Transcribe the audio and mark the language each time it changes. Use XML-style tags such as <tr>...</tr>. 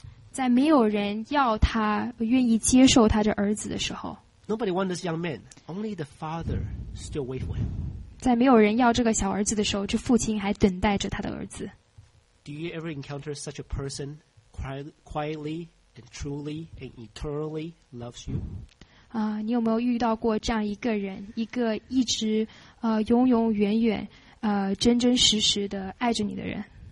<zh>在没有人要他愿意接受他这儿子的时候。</zh> <en>Nobody wants this young man. Only the father still wait for him.</en> <zh>在没有人要这个小儿子的时候，这父亲还等待着他的儿子。</zh> <en>Do you ever encounter such a person quietly and truly and eternally loves you?</en> <zh>你有没有遇到过这样一个人，一个一直永永远远真真实实的爱着你的人</zh>